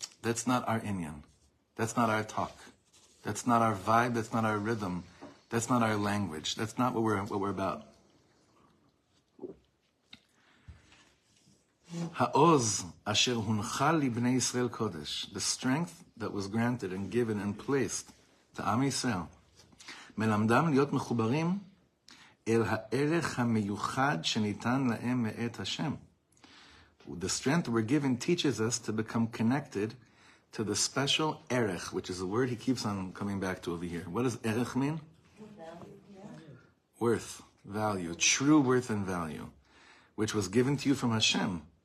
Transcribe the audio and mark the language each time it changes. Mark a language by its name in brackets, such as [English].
[English] That's not our inyan. That's not our talk. That's not our vibe. That's not our rhythm. That's not our language. That's not what we're about. [Hebrew] Ha'oz asher huncha li bnei Yisrael kodesh. [English] The strength that was granted and given and placed to Am Yisrael. [Hebrew] מלמדם להיות מחוברים אל הערך המיוחד שניתן להם מאת השם. [English] The strength we're given teaches us to become connected to the special ערך, which is a word he keeps on coming back to over here. What does ערך mean? Worth, value, true worth and value, which was given to you from Hashem.